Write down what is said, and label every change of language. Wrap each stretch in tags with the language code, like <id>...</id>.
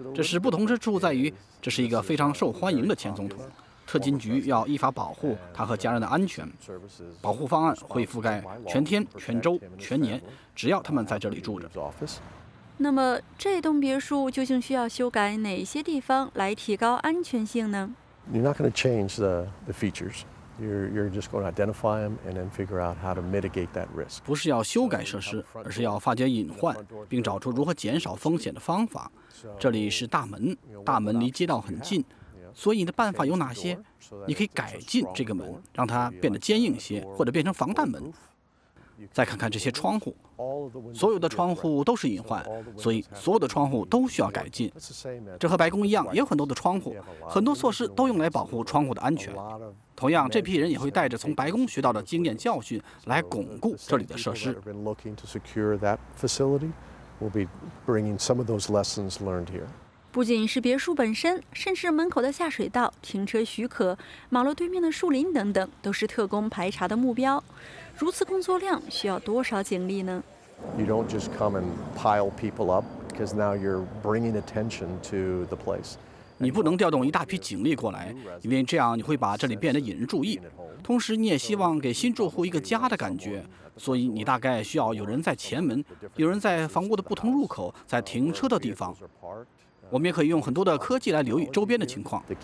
<zh>这是不同之处在于，这是一个非常受欢迎的前总统，特勤局要依法保护他和家人的安全，保护方案会覆盖全天、全周、全年，只要他们在这里住着。那么这栋别墅究竟需要修改哪些地方来提高安全性呢？</zh> <en>You're not going to change the features. You're just going to identify them and then figure out how to mitigate that risk.</en> <zh>不是要修改设施，而是要发掘隐患，并找出如何减少风险的方法。这里是大门，大门离街道很近，所以你的办法有哪些？你可以改进这个门，让它变得坚硬些，或者变成防弹门。再看看这些窗户，所有的窗户都是隐患，所以所有的窗户都需要改进。这和白宫一样，也有很多的窗户，很多措施都用来保护窗户的安全。同样，这批人也会带着从白宫学到的经验教训来巩固这里的设施。不仅是别墅本身，甚至门口的下水道、停车许可、马路对面的树林等等，都是特工排查的目标。如此工作量需要多少警力呢？</zh> <en>You don't just come and pile people up, because now you're bringing attention to the place.</en> <zh>你不能调动一大批警力过来，因为这样你会把这里变得引人注意。同时，你也希望给新住户一个家的感觉，所以你大概需要有人在前门，有人在房屋的不同入口，在停车的地方。我们也可以用很多的科技来留意周边的情况。</zh>